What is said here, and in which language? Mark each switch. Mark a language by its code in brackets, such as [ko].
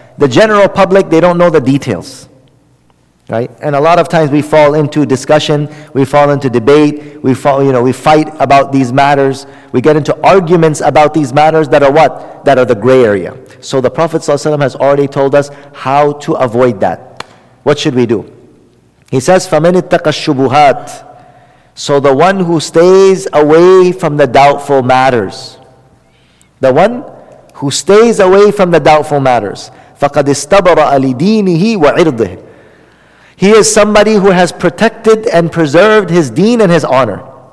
[en] The general public, they don't know the details. Right? And a lot of times we fall into discussion, we fall into debate, we fight about these matters, we get into arguments about these matters that are what? That are the gray area. So the Prophet ﷺ has already told us how to avoid that. What should we do? He says, [ar] فَمَنِ اتَّقَ الشُّبُهَاتِ. [en] So the one who stays away from the doubtful matters. The one who stays away from the doubtful matters. [ar] فَقَدْ اسْتَبَرَ لِدِينِهِ وَعِرْضِهِ. [en] He is somebody who has protected and preserved his deen and his honor.